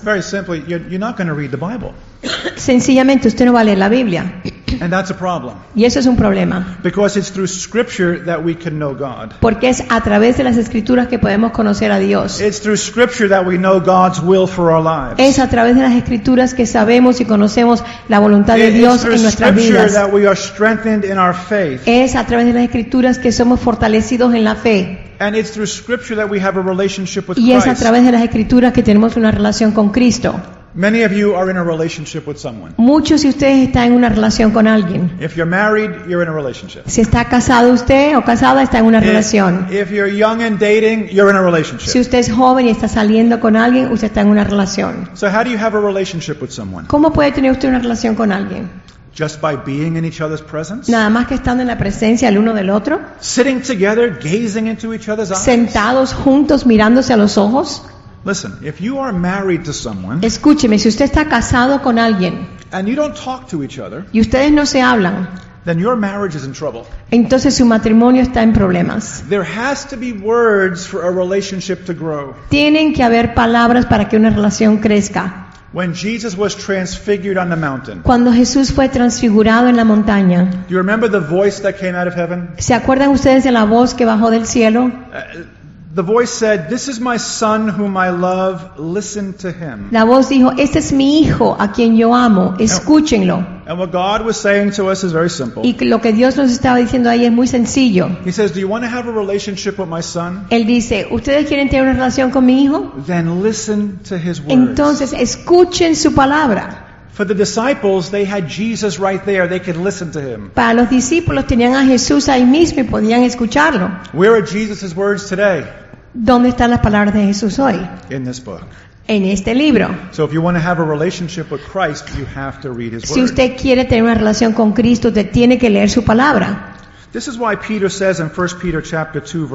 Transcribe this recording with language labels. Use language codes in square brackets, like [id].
[en] Very simply, you're not going to read the Bible. [es] Sencillamente, usted no va a leer la Biblia. [en] And that's a problem. [es] Y eso es un problema. [en] Because it's through Scripture that we can know God. [es] Porque es a través de las Escrituras que podemos conocer a Dios. [en] It's through Scripture that we know God's will for our lives. [es] Es a través de las Escrituras que sabemos y conocemos la voluntad de Dios en nuestras vidas. [en] It's through Scripture that we are strengthened in our faith. [es] Es a través de las Escrituras que somos fortalecidos en la fe. [en] And it's through Scripture that we have a relationship with [es] Christ. Y es a través de las Escrituras que tenemos una relación con Cristo. [en] Many of you are in a relationship with someone. [es] Muchos de ustedes están en una relación con alguien. [en] If you're married, you're in a relationship. [es] Si está casado usted o casada, está en una relación. [en] If you're young and dating, you're in a relationship. [es] Si usted es joven y está saliendo con alguien, usted está en una relación. [en] So how do you have a relationship with someone? [es] ¿Cómo puede tener usted una relación con alguien? [en] Just by being in each other's presence? [es] Nada más que estando en la presencia el uno del otro. [en] Sitting together, gazing into each other's eyes. [es] Sentados juntos, mirándose a los ojos. [en] Listen, if you are married to someone, [es] escúcheme, si usted está casado con alguien, [en] and you don't talk to each other, [es] y ustedes no se hablan, [en] then your marriage is in trouble. [es] Entonces su matrimonio está en problemas. [en] There has to be words for a relationship to grow. [es] Tienen que haber palabras para que una relación crezca. [en] When Jesus was transfigured on the mountain. [es] Cuando Jesús fue transfigurado en la montaña. [en] Do you remember the voice that came out of heaven? [es] ¿Se acuerdan ustedes de la voz que bajó del cielo? [en] The voice said, "This is my son whom I love. Listen to him." [es] La voz dijo, "Este es mi hijo a quien yo amo. Escúchenlo." [en] And what God was saying to us is very simple. [es] Y lo que Dios nos estaba diciendo ahí es muy sencillo. [en] He says, "Do you want to have a relationship with my son?" [es] Él dice, ¿ustedes quieren tener una relación con mi hijo? [en] Then listen to his words. [es] Entonces escuchen su palabra. [en] For the disciples, they had Jesus right there; they could listen to him. [es] Para los discípulos tenían a Jesús ahí mismo y podían escucharlo. [en] Where are Jesus' words today? [es] ¿Dónde están las palabras de Jesús hoy? [en] In this book. [es] En este libro. [en] So if you want to have a relationship with Christ, you have to read his words. [es] Si usted quiere tener una relación con Cristo, usted tiene que leer su palabra. [en] This is why Peter says in 1 Peter chapter 2 verse 2.